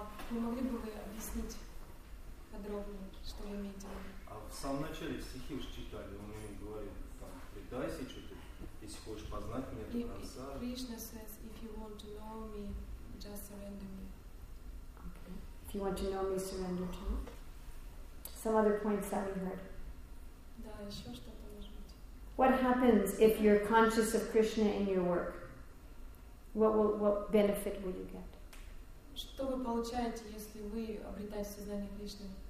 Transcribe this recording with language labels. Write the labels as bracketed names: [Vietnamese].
[Russian] Вы могли бы вы объяснить подробнее, что вы имеете в виду? А в самом начале стихи уж читали, он мне говорил, предайся что-то, если хочешь познать меня до конца. [English] Krishna says, if you want to know me, just surrender me. Okay. If you want to know me, surrender to me. Some other points that we heard. [Russian] Да, еще что-то может быть. [English] What happens if you're conscious of Krishna in your work? What benefit will you get? [Russian] Что вы получаете, если вы обретаете сознание Кришны?